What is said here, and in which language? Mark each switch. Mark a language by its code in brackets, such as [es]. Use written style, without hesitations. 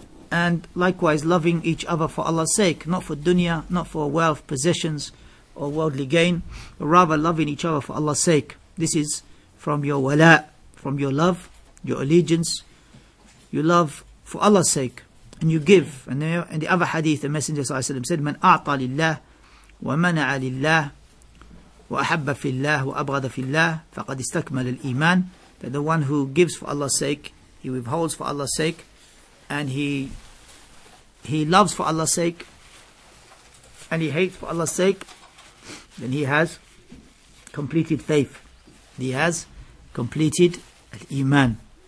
[en] And likewise, loving each other for Allah's sake, not for dunya, not for wealth, possessions, or worldly gain, but rather loving each other for Allah's sake. This is from your wala, from your love, your allegiance. You love for Allah's sake, and you give. And in the other hadith, the Messenger said, [ar] من أعطى لله ومنع لله وأحب في الله وأبغض في الله فقد استكمل الإيمان. [en] That the one who gives for Allah's sake, he withholds for Allah's sake, and he loves for Allah's sake, and he hates for Allah's sake, then he has completed faith. He has completed al-Iman.